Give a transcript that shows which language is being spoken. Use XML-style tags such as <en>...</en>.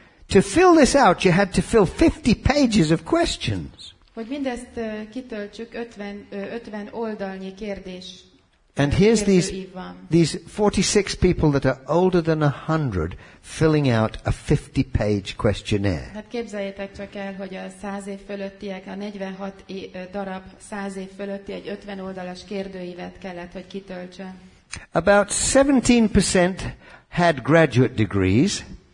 <en>To fill this out, you had to fill 50 pages of questions.</en> <hu>Hogy mindezt kitöltsük, 50 oldalnyi kérdés.</hu> <en>And here's these 46 people that are older than 100 filling out a 50-page questionnaire.</en> <hu>Hát képzeljétek csak el, hogy a 100 év fölöttiek, a 46 darab 100 év fölötti egy 50 oldalas kérdőívet kellett, hogy kitöltsön.</hu> <en>About 17% had graduate degrees.</en>